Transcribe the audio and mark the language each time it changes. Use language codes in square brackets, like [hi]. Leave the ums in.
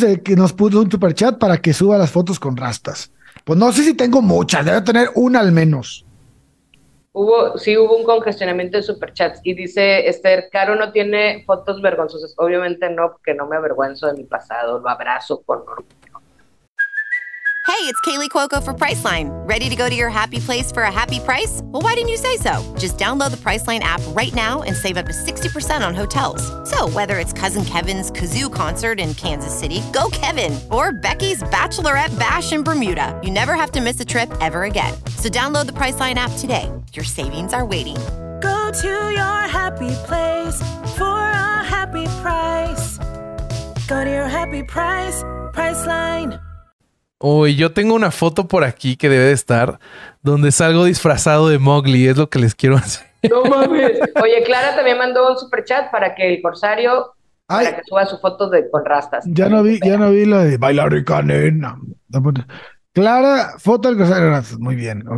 [es] puse, que nos, puso un superchat para que suba las fotos con rastas. Pues no sé si tengo muchas, debe tener una al menos. Hubo, sí, hubo un congestionamiento de superchats. Y dice Esther, Caro no tiene fotos vergonzosas. Obviamente no, porque no me avergüenzo de mi pasado. Lo abrazo con Ruth. [en] Hey, it's Kaylee Cuoco for Priceline. Ready to go to your happy place for a happy price? Well, why didn't you say so? Just download the Priceline app right now and save up to 60% on hotels. So, whether it's Cousin Kevin's Kazoo concert in Kansas City, go Kevin, or Becky's Bachelorette Bash in Bermuda, you never have to miss a trip ever again. So, download the Priceline app today. Your savings are waiting. Go to your happy place for a happy price. Go to your happy price, Priceline. [es] Uy, oh, yo tengo una foto por aquí que debe de estar donde salgo disfrazado de Mowgli, es lo que les quiero hacer. No mames. Oye, Clara también mandó un super chat para que el corsario Ay, para que suba su foto de con rastas. Ya no vi, ya no vi la de bailar y canena. Clara, foto del corsario. Muy bien, ok.